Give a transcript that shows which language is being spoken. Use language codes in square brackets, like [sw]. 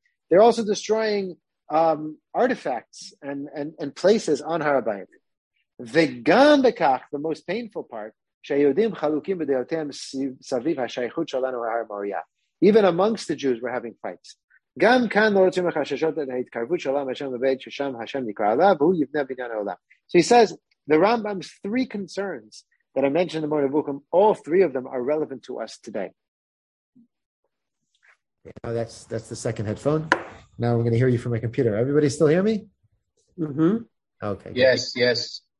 [en] They're also destroying artifacts and places on Har HaBayit. [he] וגם בכך, [en] the most painful part, [he] שהיהודים חלוקים בדעותיהם סביב השייכות שלנו להר מוריה. [en] Even amongst the Jews, we're having fights. [he] גם כאן לא רוצים לחששות את ההתקרבות של עולם השם לבית ששם השם נקרא עליו, והוא יבנה בניין העולם. [en] So he says, the Rambam's three concerns that I mentioned in the Morning Bookum, all three of them are relevant to us today. Oh, that's the second headphone. Now I'm going to hear you from my computer. Everybody still hear me? Mm-hmm. Okay. Yes, good. Yes.